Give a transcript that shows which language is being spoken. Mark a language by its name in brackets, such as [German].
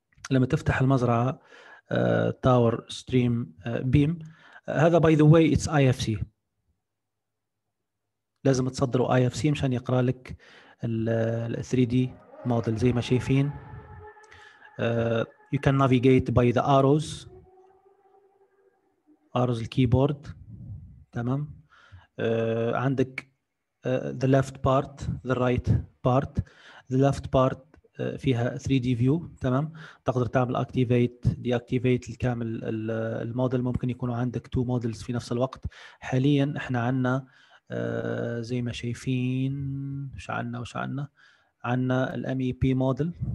[Arabic] لما تفتح المزرعه تاور ستريم بيم، هذا [English] by the way it's I F C, [Arabic] لازم تصدره اي اف سي مشان يقرا لك ال 3 دي موديل زي ما شايفين. [English] You can navigate by the arrows. [Arabic] Arrows الكيبورد. تمام. عندك [English] the left part, the right part. The left part [Arabic] فيها 3D view. تمام. تقدر تعمل activate, deactivate الكامل الموديل. ممكن يكونوا عندك [English] two models [Arabic] في نفس الوقت. حاليا احنا عندنا زي ما شايفين وش عندنا وش عندنا؟ عندنا ال MEP model.